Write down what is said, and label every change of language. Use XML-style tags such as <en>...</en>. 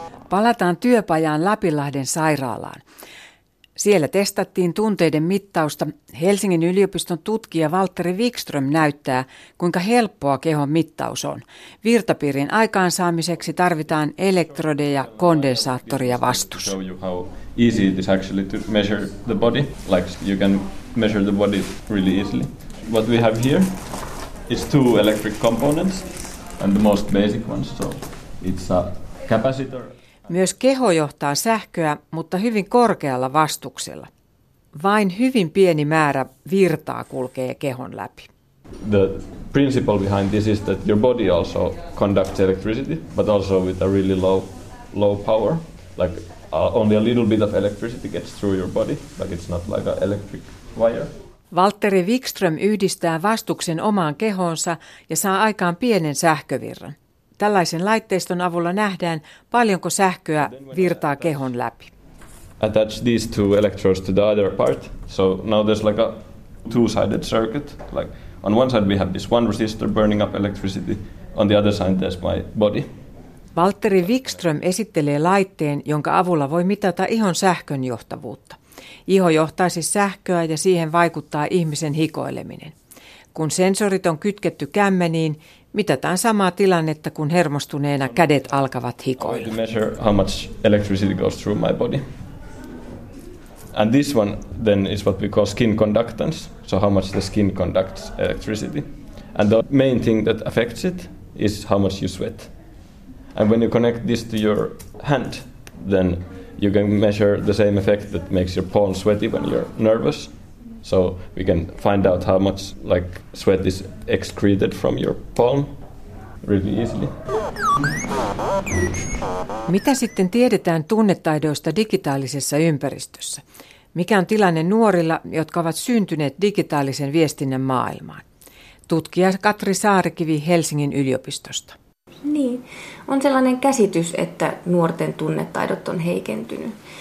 <fi>Palataan työpajaan Lapinlahden sairaalaan. Siellä testattiin tunteiden mittausta. Helsingin yliopiston tutkija Valtteri Wikström näyttää, kuinka helppoa kehon mittaus on. Virtapiirin aikaansaamiseksi tarvitaan elektrodeja, kondensaattoria, vastus.</fi> <en>Show you how easy it is actually to measure the body. Like you can measure the body really easily. What we have here is 2 electric components and the most basic ones. So it's a capacitor.</en> <fi>Myös keho johtaa sähköä, mutta hyvin korkealla vastuksella. Vain hyvin pieni määrä virtaa kulkee kehon läpi.</fi> <en>The principle behind this is that your body also conducts electricity, but also with a really low power. Like only a little bit of electricity gets through your body, like it's not like an electric wire.</en> <fi>Valtteri Wikström yhdistää vastuksen omaan kehoonsa ja saa aikaan pienen sähkövirran. Tällaisen laitteiston avulla nähdään, paljonko sähköä virtaa kehon läpi.</fi> <en>Attach these 2 electrodes to the other part. So now there's like a 2-sided circuit. Like On one side we have this one resistor burning up electricity, on the other side there's my body.</en> <fi>Valtteri Wikström esittelee laitteen, jonka avulla voi mitata ihon sähkönjohtavuutta. Iho johtaa siis sähköä ja siihen vaikuttaa ihmisen hikoileminen. Kun sensorit on kytketty kämmeniin, mitataan samaa tilannetta, kun hermostuneena kädet alkavat hikoilla.</fi> <en>To measure how much electricity goes through my body. And this one then is what we call skin conductance, so how much the skin conducts electricity. And the main thing that affects it is how much you sweat. And when you connect this to your hand, then you can measure the same effect that makes your palm sweaty when you're nervous. So we can find out how much like sweat is excreted from your palm really easily.</en> <fi>Mitä sitten tiedetään tunnetaidoista digitaalisessa ympäristössä? Mikä on tilanne nuorilla, jotka ovat syntyneet digitaalisen viestinnän maailmaan? Tutkija Katri Saarikivi Helsingin yliopistosta. Niin, on sellainen käsitys, että nuorten tunnetaidot on heikentynyt.</fi>